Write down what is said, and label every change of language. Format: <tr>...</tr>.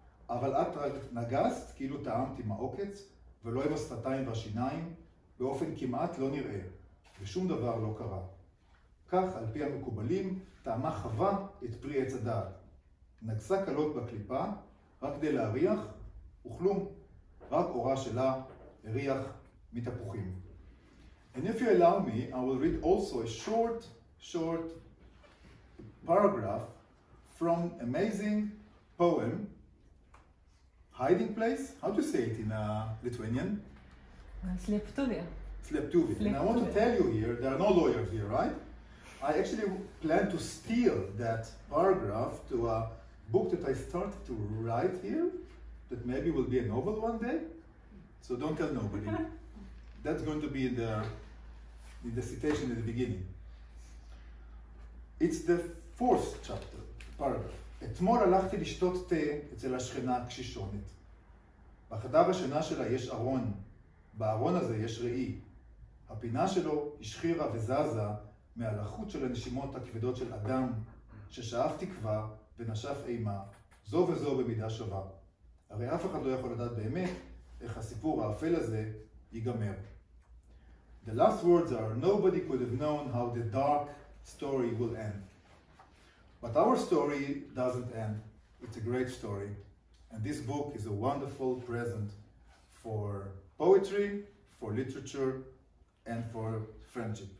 <he>אבל את רק נגסת כאילו טעמתי מעוקץ, ולא עם השפתיים והשיניים, באופן כמעט לא נראה, ושום דבר לא קרה. כך, על פי המקובלים, טעמה חווה את פרי עץ הדעת. נגסה קלות בקליפה, רק כדי להריח, וכלום, רק אורה שלה הריח מתפוחים.</he> <en>And if you allow me, I will read also a short, short paragraph from amazing poem, Hiding Place. How do you say it in Lithuanian? Sleptuvia. Sleptuvia. And I want to tell you here, there are no lawyers here, right? I actually plan to steal that paragraph to a book that I started to write here, that maybe will be a novel one day. So don't tell nobody. That's going to be in the citation at the beginning. It's the fourth chapter, paragraph.</en> <he>אתמול הלכתי לשתות תה אצל השכנה הקשישונת. בחדר השינה שלה יש ארון. בארון הזה יש ראי. הפינה שלו השחירה וזזה מהלחות של הנשימות הכבדות של אדם ששאף תקווה ונשף אימה, זו וזו במידה שווה. הרי אף אחד לא יכול לדעת באמת איך הסיפור האפל הזה ייגמר.</he> <en>The last words are, nobody could have known how the dark story will end. But our story doesn't end. It's a great story. And this book is a wonderful present for poetry, for literature, and for friendship.</en>